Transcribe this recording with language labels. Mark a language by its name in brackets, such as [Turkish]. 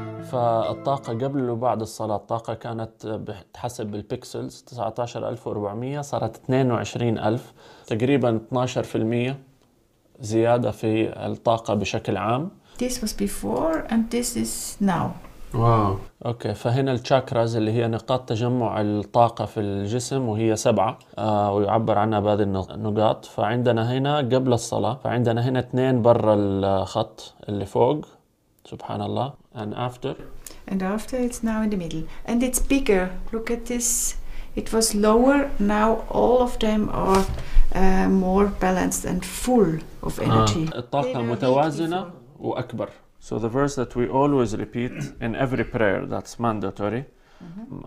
[Arabic] فالطاقة قبل وبعد الصلاة، الطاقة كانت بحسب البيكسلز 19400 صارت 22000، تقريبا 12% زيادة في الطاقة بشكل عام. [English] This was before and this is now. Wow. Okay. [Arabic] فهنا الشاكراز اللي هي نقاط تجمع الطاقة في الجسم وهي 7، ويعبر عنها بهذه النقاط. فعندنا هنا قبل الصلاة، فعندنا هنا 2 برا الخط اللي فوق، سبحان الله. [English] And after. And after it's now in the middle. And it's bigger. Look at this. It was lower. Now all of them are more balanced and full of energy. [Arabic] الطاقة متوازنة وأكبر. [English] So the verse that we always repeat in every prayer that's mandatory, mm-hmm.